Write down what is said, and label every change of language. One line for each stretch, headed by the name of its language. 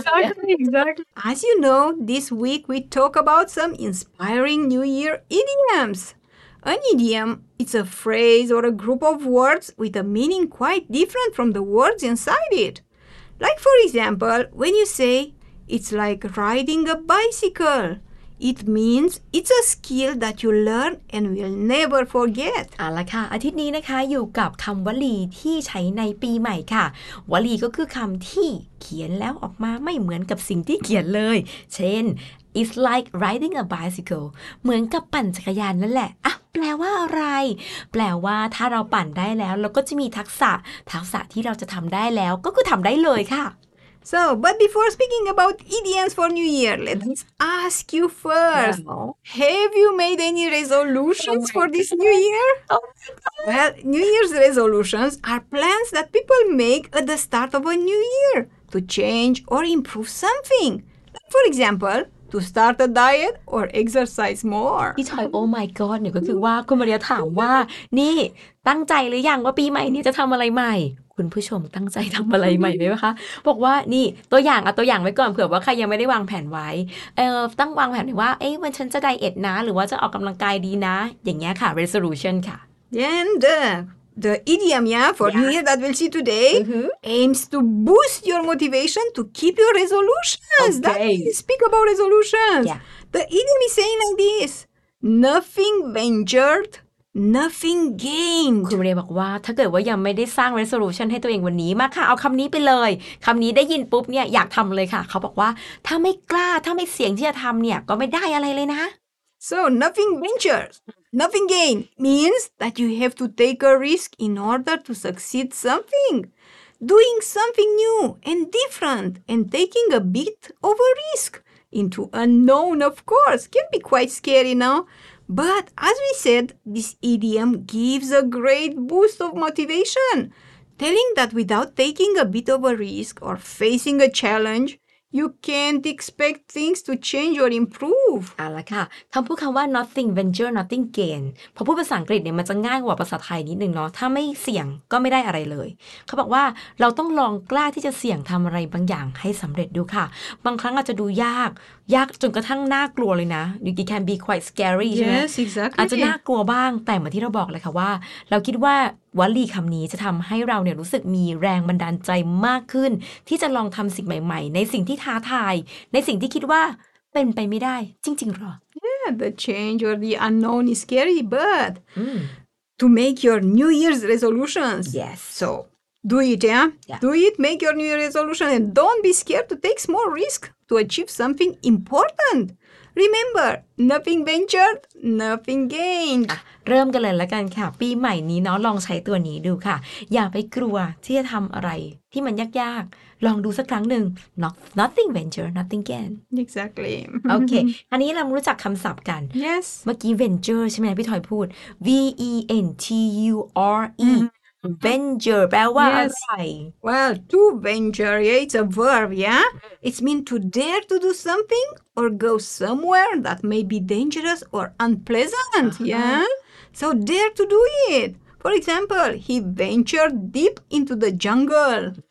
English: Exactly As you know this week we talk about some inspiring New Year idioms An idiom it's a phrase or a group of words with a meaning quite different from the words inside it Like, for example, when you say, it's like riding a bicycle, it means it's a skill that you learn and will never forget.
Thai: เอาละค่ะอาทิตย์นี้นะคะอยู่กับคำวลีที่ใช้ในปีใหม่ค่ะวลีก็คือคำที่เขียนแล้วออกมาไม่เหมือนกับสิ่งที่เขียนเลยเช่น
English: it's like riding a bicycle,
Thai: เหมือนกับปั่นจักรยานนั่นแหละแปลว่าอะไรแปลว่าถ้าเราปั่นได้แล้วเราก็จะมีทักษะที่เราจะทำได้แล้วก็คือทำได้เลยค่ะ
English: So but before speaking about idioms for New Year let's ask you first have you made any resolutions for this New Year Well New Year's resolutions are plans that people make at the start of a New Year to change or improve something for example to start a diet or exercise more
Thai: พี่ชอยโอ้
English: my god
Thai: เนี่ยก็คือว่าคุณมาเรียถามว่านี่ตั้งใจหรือยังว่าปีใหม่นี้จะทำอะไรใหม่คุณผู้ชมตั้งใจทำอะไรใหม่ไหมคะบอกว่านี่ตัวอย่างเอาตัวอย่างไว้ก่อนเผื่อว่าใครยังไม่ได้วางแผนไว้ตั้งวางแผนว่าเอ๊ะวันฉันจะไดเอทนะหรือว่าจะออกกำลังกายดีนะอย่างเงี้ยค่ะ resolution ค่ะ
English: then the idiom for New Year that we'll see today aims to boost your motivation to keep your resolutions okay. that speak about resolutions the idiom is saying like this nothing ventured nothing gained
Thai: คุณเรียบอกว่าถ้าเกิดว่ายังไม่ได้สร้าง resolution ให้ตัวเองวันนี้มาค่ะเอาคำนี้ไปเลยคำนี้ได้ยินปุ๊บเนี่ยอยากทำเลยค่ะเขาบอกว่าถ้าไม่กล้าถ้าไม่เสี่ยงที่จะทำเนี่ยก็ไม่ได้อะไรเลยนะ
English: so nothing ventures nothing gained means that you have to take a risk in order to succeed something doing something new and different and taking a bit of a risk into unknown of course can be quite scary now But as we said, this idiom gives a great boost of motivation, telling that without taking a bit of a risk or facing a challenge, you can't expect things to change or improve.
Thai: เอาละค่ะคำพูดคำว่า
English: nothing venture nothing gain
Thai: พอพูดภาษาอังกฤษเนี่ยมันจะง่ายกว่าภาษาไทยนิดนึงเนาะถ้าไม่เสี่ยงก็ไม่ได้อะไรเลยเขาบอกว่าเราต้องลองกล้าที่จะเสี่ยงทำอะไรบางอย่างให้สำเร็จดูค่ะบางครั้งอาจจะดูยากยากจนกระทั่งน่ากลัวเลยนะ
English: you can be quite scary yes,
Thai: ใช่ไหม
English: yes exactly
Thai: อาจจะน่ากลัวบ้างแต่เหมือนที่เราบอกเลยค่ะว่าเราคิดว่าวลีคำนี้จะทำให้เราเนี่ยรู้สึกมีแรงบันดาลใจมากขึ้นที่จะลองทำสิ่งใหม่ๆในสิ่งที่ท้าทายในสิ่งที่คิดว่าเป็นไปไม่ได้จริงๆหรอ
English: Yeah, the change or the unknown is scary, but to make your New Year's resolutions. Yes. So, do it, yeah? Do it, make your New Year's resolution and don't be scared to take small risk to achieve something important. Remember, nothing ventured, nothing gained.
Thai: เริ่มกันเลยละกันค่ะปีใหม่นี้เนาะลองใช้ตัวนี้ดูค่ะอย่าไปกลัวที่จะทำอะไรที่มันยากๆลองดูสักครั้งหนึ่ง
English: nothing venture nothing gain exactly
Thai: โอเคคราวนี้เรารู้จักคำศัพท์กัน
English: yes
Thai: เมื่อกี้ venture ใช่ไหมพี่ถอยพูด v e n t u r e venture แปลว่า
English: yes.
Thai: อะไร
English: well to venture yeah, it's a verb yeah it's mean to dare to do something or go somewhere that may be dangerous or unpleasant yeah So dare to do it. For example, he ventured deep into the jungle.